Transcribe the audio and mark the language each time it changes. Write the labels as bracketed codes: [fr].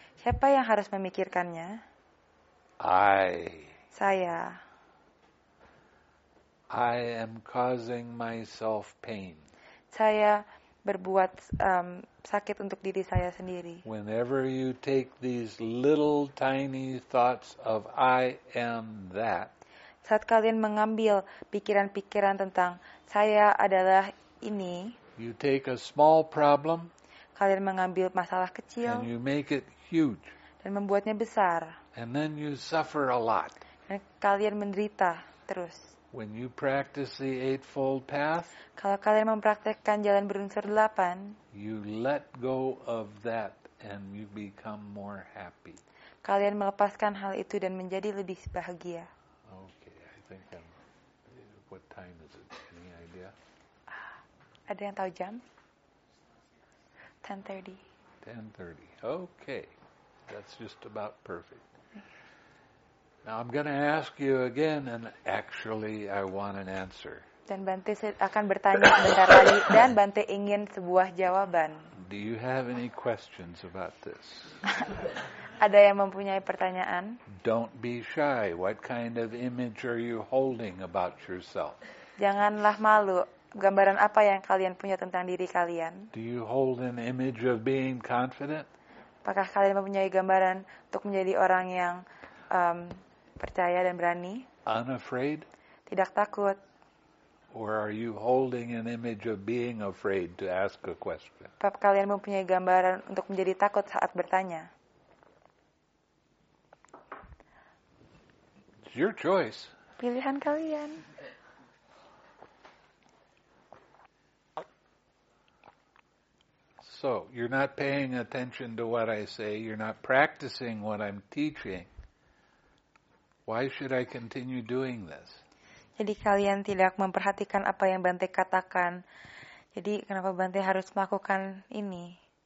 [id] Siapa yang harus memikirkannya? [en] I. [id] Saya. [en] I am causing myself pain. [id] Saya berbuat sakit untuk diri saya sendiri. [en] Whenever you take these little tiny thoughts of I am that, [id] saat kalian mengambil pikiran-pikiran tentang saya adalah ini, [en] you take a small problem, [id] kalian mengambil masalah kecil, [en] and you make it huge, [id] dan membuatnya besar, [en] and then you suffer a lot, [id] dan kalian menderita terus. [en] When you practice the Eightfold Path, [id] kalau kalian mempraktekkan jalan berunsur 8, [en] you let go of that and you become more happy. [id] Kalian melepaskan hal itu dan menjadi lebih bahagia. [en] Okay, I think what time is it? Any idea? [id] Ada yang tahu jam? 10:30. [en] 10:30. Okay. That's just about perfect. Now I'm going to ask you again, and actually I want an answer. [id] Dan Bante akan bertanya sebentar lagi, dan Bante ingin sebuah jawaban. [en] Do you have any questions about this? [id] Ada yang mempunyai pertanyaan? [en] Don't be shy. What kind of image are you holding about yourself? [id] Janganlah malu. Gambaran apa yang kalian punya tentang diri kalian? [en] Do you hold an image of being confident? [id] Apakah kalian mempunyai gambaran untuk menjadi orang yang percaya dan berani? [en] Unafraid? [id] Tidak takut. [en] Or are you holding an image of being afraid to ask a question? [id] Apakah kalian mempunyai gambaran untuk menjadi takut saat bertanya? [en] It's your choice. [id] Pilihan kalian. [en] So, you're not paying attention to what I say. You're not practicing what I'm teaching. Why should I continue doing this? [id] Jadi kalian tidak memperhatikan apa yang Bante katakan. Jadi kenapa Bante harus melakukan ini?